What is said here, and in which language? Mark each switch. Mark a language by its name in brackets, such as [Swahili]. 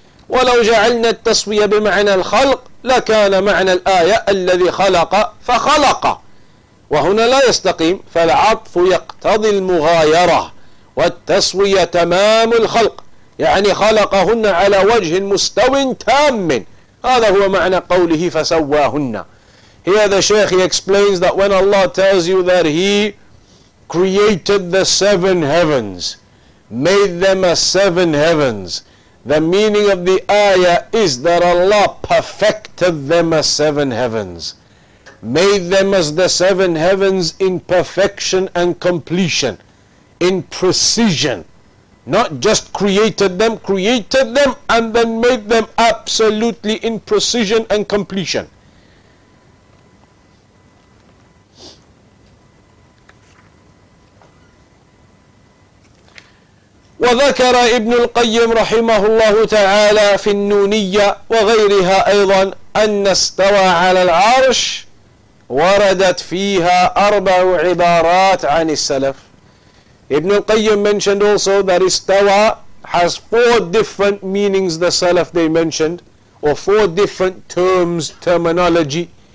[Arabic] ولو جعلنا التسوية بمعنى الخلق لكان معنى الآية الذي خلق فخلق, وهنا لا يستقيم, فالعطف يقتضي المغايرة والتسوية تمام الخلق, يعني خلقهن على وجه مستوى تام. هذا هو معنى قوله فسواهن. [English] Here the Sheikh, he explains that when Allah tells you that He created the seven heavens, made them as seven heavens, the meaning of the ayah is that Allah perfected them as seven heavens, made them as the seven heavens in perfection and completion, in precision. Not just created them and then made them absolutely in precision and completion. [Arabic] وذكر ابن القيم رحمه الله تعالى في النونية وغيرها أيضا أن استوى على العرش وردت فيها أربع عبارات عن السلف. [English] Ibn al-Qayyim mentioned also that istawa has four different meanings, the Salaf they mentioned, or four different terms, terminology.